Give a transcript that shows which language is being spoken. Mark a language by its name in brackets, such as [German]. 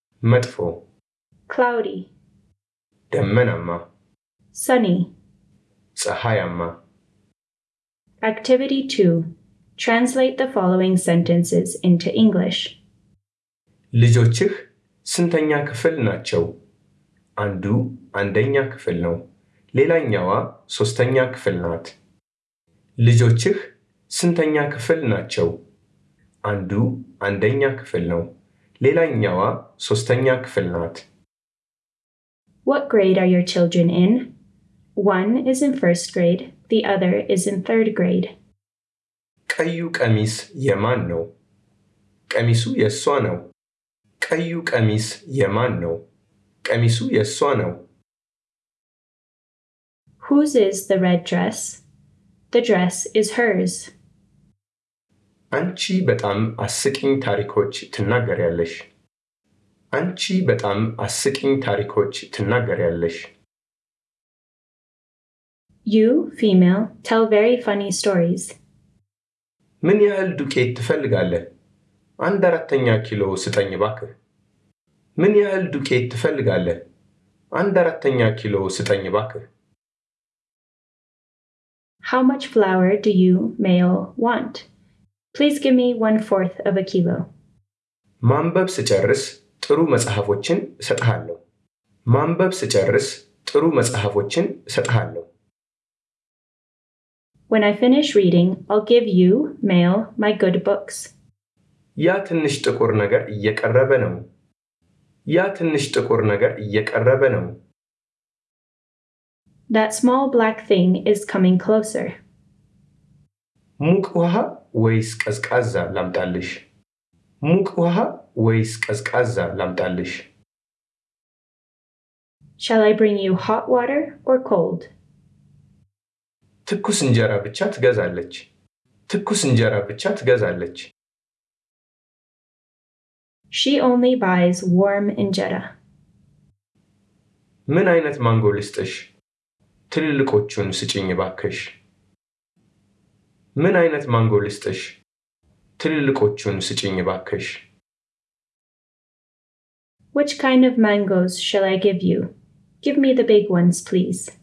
[Amharic] Medfo. [English] Cloudy. [Amharic] Demenama. [English] Sunny. [Amharic] Sahayama. [English] Activity 2. Translate the following sentences into English. [Amharic] ልጆችህ ስንተኛ ክፍል ናቸው? አንዱ አንደኛ ክፍል ነው። ሌላኛዋ ሶስተኛ ክፍል ናት። ልጆችህ ስንተኛ ክፍል ናቸው? አንዱ አንደኛ ክፍል ነው። ሌላኛዋ ሶስተኛ ክፍል ናት። [English] What grade are your children in? One is in first grade, the other is in third grade. [Amharic] ቀዩ ቀሚስ የማን ነው? ቀሚሱ የሷ ነው። ቀዩ ቀሚስ የማን ነው? ቀሚሱ የሷ ነው። [English] Whose is the red dress? The dress is hers. [Amharic] አንቺ በጣም አስቂኝ ታሪኮች ትናገሪያለሽ። አንቺ በጣም አስቂኝ ታሪኮች ትናገሪያለሽ። [English] You, female, tell very funny stories. [Amharic] ምን ያህል ዱቄት ትፈልጋለህ? አንድ አራተኛ ኪሎ ስጠኝ እባክህ። ምን ያህል ዱቄት ትፈልጋለህ? አንድ አራተኛ ኪሎ ስጠኝ እባክህ። [English] How much flour do you, male, want? Please give me 1/4 of a kilo. [Amharic] ማንበብ ስጨርስ ጥሩ መጽሐፎችን እሰጥሃለሁ። ማንበብ ስጨርስ ጥሩ መጽሐፎችን እሰጥሃለሁ። [English] When I finish reading, I'll give you, male, my good books. [Amharic] ያ ትንሽ ጥቁር ነገር እየቀረበ ነው። ያ ትንሽ ጥቁር ነገር እየቀረበ ነው። [English] That small black thing is coming closer. [Amharic] ሙቅ ውሃ ወይስ ቀዝቃዛ ላምጣልሽ? ሙቅ ውሃ ወይስ ቀዝቃዛ ላምጣልሽ? [English] Shall I bring you hot water or cold? [Amharic] ትኩስ እንጀራ ብቻ ትገዛለች። ትኩስ እንጀራ ብቻ ትገዛለች። [English] She only buys warm injera. [Amharic] ምን አይነት ማንጎ ልስጥሽ? ትልልቆቹን ስጭኝ ባክሽ። ምን አይነት ማንጎ ልስጥሽ? ትልልቆቹን ስጭኝ ባክሽ። [English] Which kind of mangoes shall I give you? Give me the big ones, please.